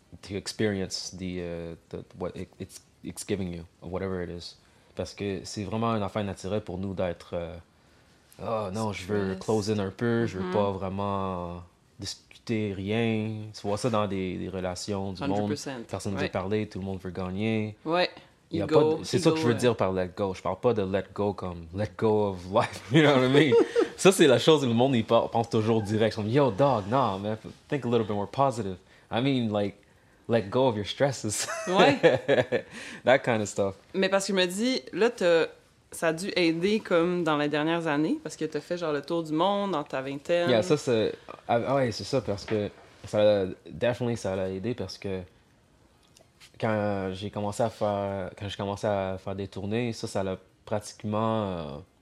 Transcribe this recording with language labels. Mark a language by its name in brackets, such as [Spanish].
[English] To experience what it's giving you, or whatever it is. [French] Parce que c'est vraiment une affaire naturelle pour nous d'être je veux [English] close in [French] un peu, je veux pas vraiment discuter rien. Tu vois ça dans des relations du 100%. Monde. Personne ne veut parler, tout le monde veut gagner. Ouais. C'est ça que je veux dire par [English] let go. [French] Je parle pas de [English] let go comme let go of life, you know what I mean? [French] Ça, c'est la chose que le monde pense toujours direct. [English] Comme, yo, dog, nah, man, think a little bit more positive. I mean, like, let go of your stresses. [French] Ouais. [English] That kind of stuff. [French] Mais parce que je me dis, là, ça a dû aider comme dans les dernières années, parce que t'as fait genre le tour du monde dans ta vingtaine. Yeah, ça, c'est... Ah, ouais, c'est ça, parce que... Ça a... Definitely, ça a aidé parce que... quand j'ai commencé à faire des tournées, ça l'a pratiquement.